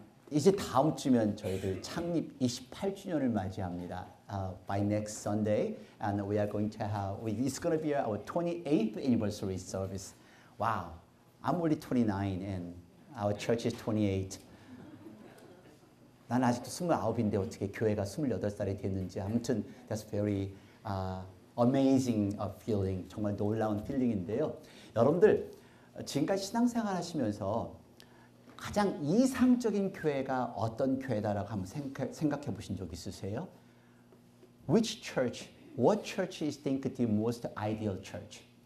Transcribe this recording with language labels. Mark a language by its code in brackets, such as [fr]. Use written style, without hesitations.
[ko] 이제 다음 주면 저희들 창립 28주년을 맞이합니다. [en] By next Sunday, and we are going to have, it's going to be our 28th anniversary service. Wow, I'm only 29 and our church is 28. [ko] 난 아직도 29인데 어떻게 교회가 28살이 됐는지. 아무튼, [en] that's very amazing feeling. [ko] 정말 놀라운 feeling인데요. 여러분들, 지금까지 신앙생활 하시면서 가장 이상적인 교회가 어떤 교회다라고 한번 생각해 보신 적 있으세요? [en] Which church, what church is think the most ideal church?